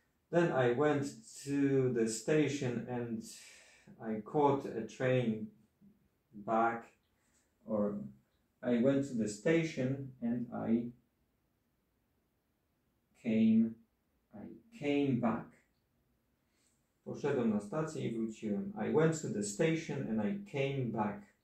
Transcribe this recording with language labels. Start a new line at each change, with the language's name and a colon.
English: Then I went to the station and I caught a train back, or I went to the station and I came back.
Polish: Poszedłem na stację I wróciłem.
English: I went to the station and I came back.